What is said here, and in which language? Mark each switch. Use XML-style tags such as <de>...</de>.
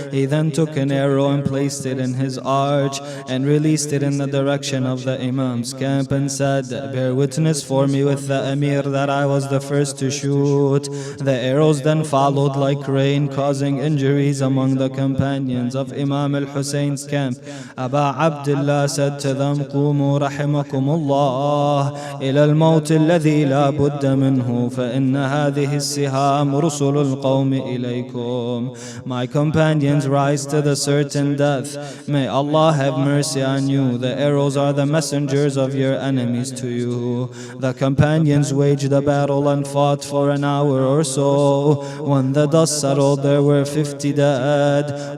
<en>He then took an arrow and placed it in his arch and released it in the direction of the Imam's camp and said, "Bear witness for me with the Emir that I was the first to shoot." The arrows then followed like rain, causing injuries among the companions of Imam al-Husayn's camp. Aba Abdullah said to them,</en> <ar>"Qumu rahimakumullah ila al-mawt الذي لا بد منه فإن هذه السهام رسل القوم إليكم.</ar> <en>My companions rise to the certain death. May Allah have mercy on you. The arrows are the messengers of your enemies to you. The companions waged a battle and fought for an hour or so. When the dust settled, there were 50 dead.</en>